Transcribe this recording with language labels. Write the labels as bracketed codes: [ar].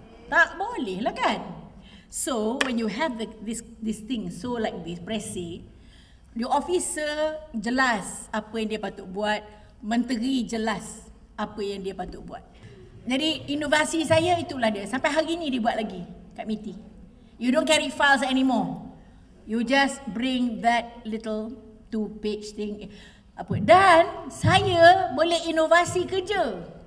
[ms] Tak boleh lah kan? [en] So, when you have this thing so like this, pressing, your officer [ms] jelas apa yang dia patut buat, menteri jelas apa yang dia patut buat. Jadi, inovasi saya itulah dia. Sampai hari ni dia buat lagi kat meeting. [en] You don't carry files anymore. You just bring that little 2-page thing, [ms] apa, dan saya boleh inovasi kerja.